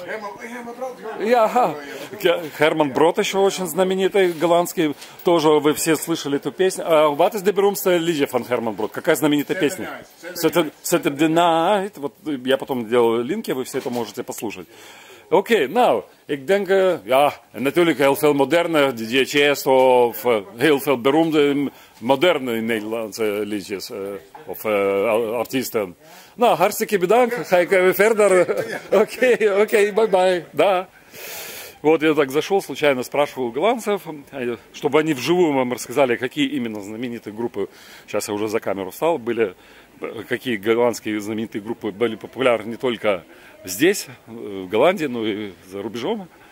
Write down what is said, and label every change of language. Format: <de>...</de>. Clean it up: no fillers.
<ru>Херман Брод еще очень знаменитый голландский. Тоже вы все слышали эту песню.</ru> <nl>What is the Berumste Lige von Herman Brood?</nl> <ru>Какая знаменитая песня?</ru> <en>Saturday Night.</en> <ru>Вот я потом делаю линки, вы все это можете послушать. Окей, now.</ru> <nl>Ik denk, ja, natuurlijk heel veel moderne DJ's of heel veel beroemde moderne Nederlandse liedjes of artiesten. Nou, hartstikke bedankt. Ga ik verder.</nl> <ru>Окей, bye-bye. Да. Вот я так зашел, случайно спрашивал у голландцев, чтобы они вживую вам рассказали, какие именно знаменитые группы, сейчас я уже за камеру встал, были, какие голландские знаменитые группы были популярны не только здесь, в Голландии, но и за рубежом.</ru>